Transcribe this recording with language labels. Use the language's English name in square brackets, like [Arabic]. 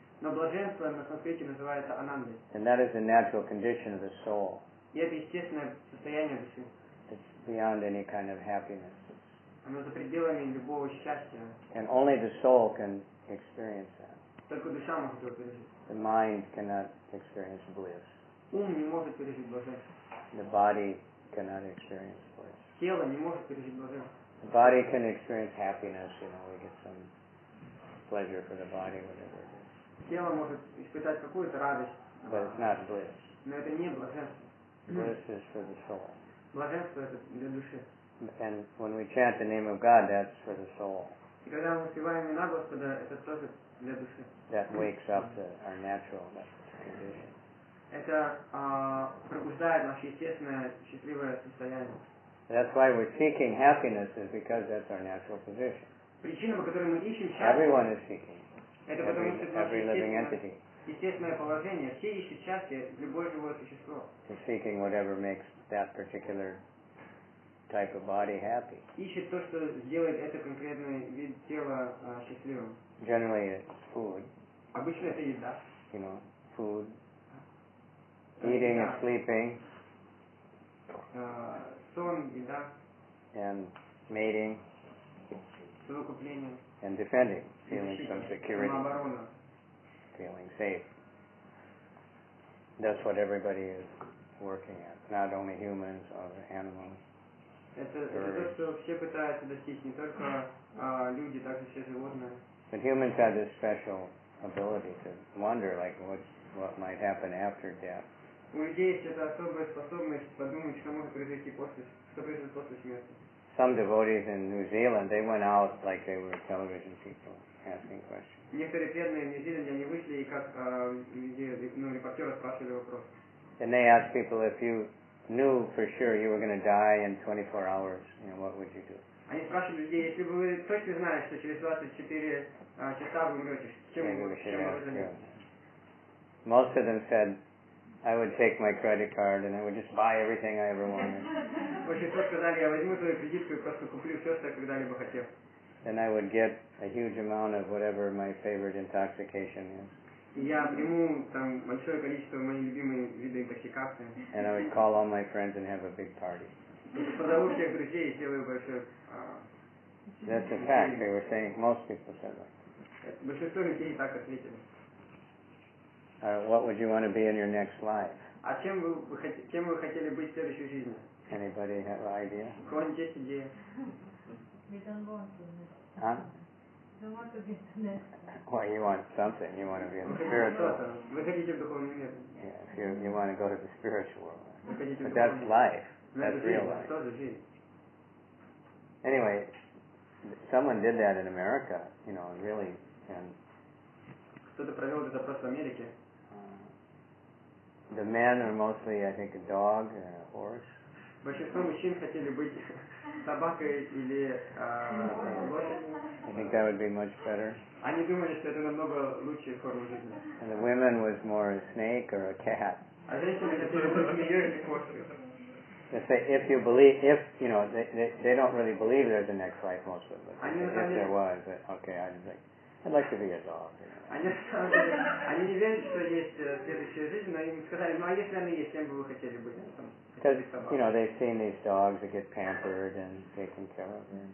[Russian] Но блаженство на санскрите называется ананды. [English] And that is the natural condition of the soul. [Russian] И это естественное состояние души. [English] It's beyond any kind of happiness. [Russian] Оно за пределами любого счастья. [English] And only the soul can experience that. [Russian] Только душа может это пережить. [English] The mind cannot experience bliss. [Russian] Ум не может пережить блаженство. [English] The body cannot experience bliss. [Russian] Тело не может пережить блаженство. [English] The body can experience happiness, you know, we get some pleasure for the body, whatever. [Russian] Тело может испытать какую-то радость, [English] But it's not bliss. [Russian] Но это не блаженство. [English] Bliss is for the soul. [Russian] Блаженство это для души. [English] And when we chant the name of God, that's for the soul. [Russian] И когда мы воспеваем имя Господа, это тоже для души. [English] That wakes up our natural condition. [Russian] Это пробуждает наше естественное счастливое состояние. [English] That's why we're seeking happiness, is because that's our natural position. [Russian] Причина, по которой мы ищем счастье. [English] Everyone is seeking. [Russian] Это потому что [English] every living entity. [Russian] Естественное положение. Все ищут счастье, любое живое существо. [English] They're seeking whatever makes that particular type of body happy. [Russian] Ищет то, что сделает это конкретный вид тела счастливым. [English] Generally, it's food. [Russian] Обычно это еда. [English] You know, food. Eating and sleeping. [Russian] Сон, еда. [English] And mating. [Russian] Совокупление. [English] And defending, feeling some security. [Russian] Самооборона. [English] Feeling safe. That's what everybody is working at. Not only humans, other animals. [Russian] Это то, что все пытаются достичь, не только люди, также все животные. [English] But humans have this special ability to wonder, like what might happen after death. [Russian] У людей есть эта особая способность подумать, что может произойти после, что произойдет после смерти. [English] Some devotees in New Zealand, they went out like they were television people asking questions. [Russian] Некоторые преданные в Нью-Зеландии, они вышли и как репортеры спрашивали вопрос. [English] And they asked people, if you knew for sure you were going to die in 24 hours, you know, what would you do? [Russian] Они спрашивали людей, если бы вы точно знали, что через 24 часа вы умрете, чем вы бы занялись? [English] Most of them said, I would take my credit card and I would just buy everything I ever wanted. [Russian] Большинство сказали, я возьму твою кредитку и просто куплю все, что я когда-либо хотел. [English] And I would get a huge amount of whatever my favorite intoxication is. [Russian] Я приму там большое количество моих любимых видов интоксикации. [English] And I would call all my friends and have a big party. [Russian] Позову всех друзей и сделаю большое. [English] That's a fact. They were saying most people said that. [Russian] Большинство людей так ответили. [English] What would you want to be in your next life? [Russian] А чем вы кем вы хотели быть в следующей жизни? [English] Anybody have an idea? [Russian] Какой-нибудь есть идея? [English] We don't want to be. Huh? We don't want to be the next. Well, you want something. You want to be in the spiritual. [Russian] Вы хотите в духовный мир. [English] Yeah, if you want to go to the spiritual world. [Russian] Вы хотите в духовный мир. [English] But that's life. That's real life. [Russian] Это жизнь. [English] Anyway, someone did that in America. You know, really, and. [Russian] Кто-то провел этот опрос в Америке. [English] The men are mostly, I think, a dog and a horse. [Russian] Большинство мужчин хотели быть собакой или лошадью. [English] I think that would be much better. [Russian] Они думали, что это намного лучшая форма жизни. [English] And the women was more a snake or a cat. [Russian] А женщины хотели быть змеёй или кошкой. [English] They say, if you believe, if, you know, they don't really believe there's a next life, most of them. If there was, but, okay, I'd like to be a dog. [Russian] Они не верят, что есть следующая жизнь, но им сказали, ну а если она есть, кем бы вы хотели быть? [English] Because, you know, they've seen these dogs that get pampered and taken care of.